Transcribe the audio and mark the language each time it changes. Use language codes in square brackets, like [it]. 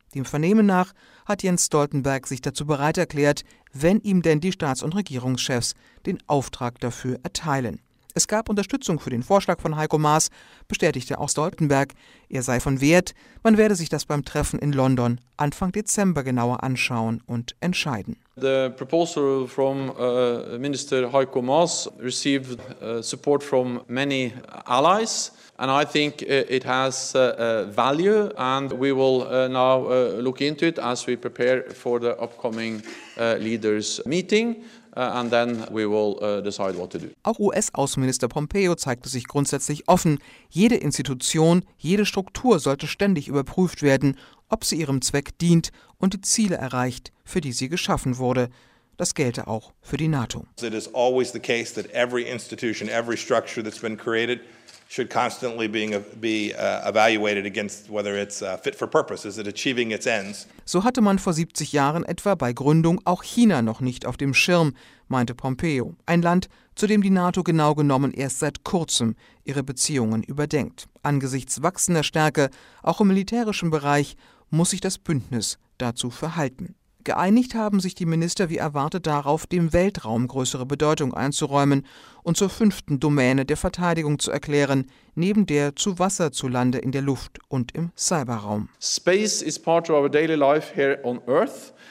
[de] Dem Vernehmen nach hat Jens Stoltenberg sich dazu bereit erklärt, wenn ihm denn die Staats- und Regierungschefs den Auftrag dafür erteilen. Es gab Unterstützung für den Vorschlag von Heiko Maas, bestätigte auch Stoltenberg. Er sei von Wert, man werde sich das beim Treffen in London Anfang Dezember genauer anschauen und entscheiden. [en] The proposal from Minister Heiko Maas received support from many allies and I think it has value and we will now look into it as we prepare for the upcoming leaders meeting. And then we will decide what to do. [de] Auch US-Außenminister Pompeo zeigte sich grundsätzlich offen. Jede Institution, jede Struktur sollte ständig überprüft werden, ob sie ihrem Zweck dient und die Ziele erreicht, für die sie geschaffen wurde. Das gelte auch für die NATO. [en] It is always the case that every institution, every structure that's been created should constantly be evaluated against whether it's fit for purpose, is it achieving its ends. [de] So hatte man vor 70 Jahren etwa bei Gründung auch China noch nicht auf dem Schirm, meinte Pompeo. Ein Land, zu dem die NATO genau genommen erst seit kurzem ihre Beziehungen überdenkt. Angesichts wachsender Stärke, auch im militärischen Bereich, muss sich das Bündnis dazu verhalten. Geeinigt haben sich die Minister wie erwartet darauf, dem Weltraum größere Bedeutung einzuräumen und zur fünften Domäne der Verteidigung zu erklären, neben der zu Wasser, zu Lande, in der Luft und im Cyberraum. [en] Space is part of our daily life here on Earth.